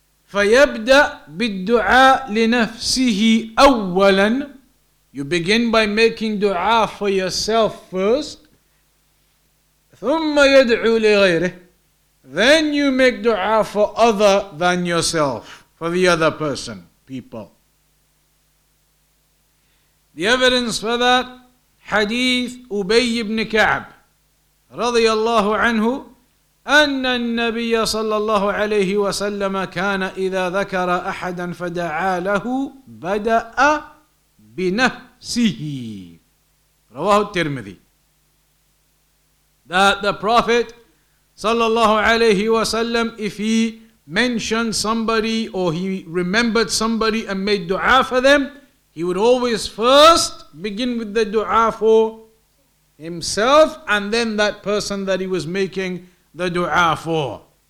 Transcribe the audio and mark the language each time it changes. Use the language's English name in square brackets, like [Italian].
[Arabic] فَيَبْدَأْ بِالدُّعَاء لِنَفْسِهِ أَوَّلًا. [English] You begin by making dua for yourself first. [Arabic] ثُمَّ يَدْعُو لِغَيْرِهِ. [English] Then you make dua for other than yourself, for the other person, people. The evidence for that, [Arabic] حديث أبي بن كعب رضي الله عنه أن النبي صلى الله عليه وسلم كان إذا ذكر أحدا فدعا له بدأ بنفسه رواه الترمذي. [English] That the Prophet صلى الله عليه وسلم, if he mentioned somebody or he remembered somebody and made dua for them, he would always first begin with the dua for himself and then that person that he was making the dua for.